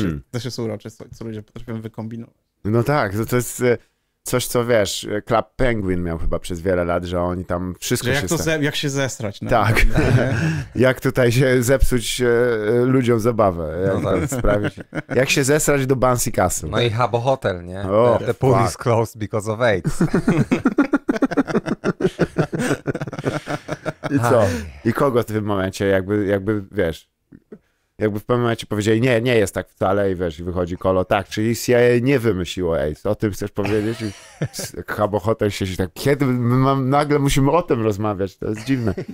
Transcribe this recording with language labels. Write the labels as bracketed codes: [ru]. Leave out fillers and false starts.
[pl] To się urocze, co ludzie potrafią wykombinować. No tak, to jest coś, co wiesz, Club Penguin miał chyba przez wiele lat, że oni tam wszystko jak się... Jak się zesrać. Tak. Jak tutaj się zepsuć ludziom zabawę. Sprawić. Jak się zesrać do Bouncy Castle. No i Habbo Hotel, nie? [en] The pool is closed because of AIDS. [pl] I co? I kogo w tym momencie jakby wiesz... Jakby w pewnym momencie powiedzieli, nie jest tak wcale i wiesz, i wychodzi kolo, tak, czyli CIA nie wymyśliło AIDS, o tym chcesz powiedzieć? Habbo Hotel siedzi tak, kiedy nagle musimy o tym rozmawiać, to jest dziwne.